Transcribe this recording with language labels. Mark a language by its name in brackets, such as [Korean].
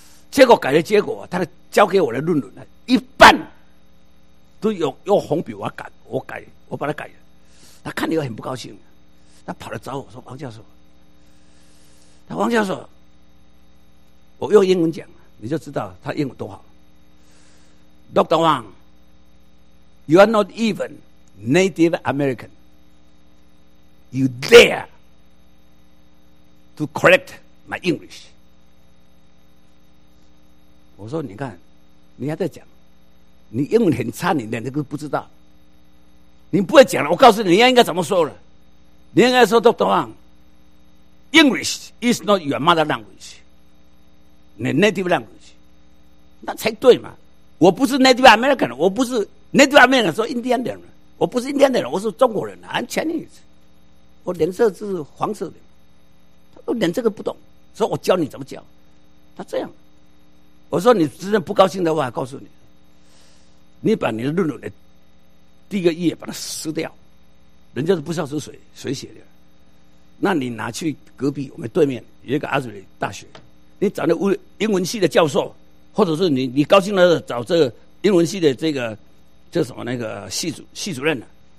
[Chinese] 结果改的结果，他交给我的论文呢，一半都用红笔我把它改了。他看了以后很不高兴，他跑来找我说：“王教授，他王教授，我用英文讲，你就知道他英文多好。” [English] Dr. Wang, you are not even Native American. You dare to correct my English. [Chinese] 我说你看，你还在讲，你英文很差，你连那个不知道，你不会讲了。我告诉你，你应该怎么说了？你应该说 Dr. [English] Wang, English is not your mother language. [Chinese] 你 Native language, 那才对嘛。我不是 Native American, 我不是 Native American, 说印第安人，我不是印第安人，我是中国人， I'm Chinese, 我脸色是黄色的。他说连这个不懂，说我教你怎么教。他这样，我说你真的不高兴的话，告诉你，你把你的论文的第一个页把它撕掉，人家都不知道是谁写的，那你拿去隔壁，我们对面有一个阿祖里大学，你找那英文系的教授，或者是你高兴了找这个英文系的这什么那个系主任呢、啊？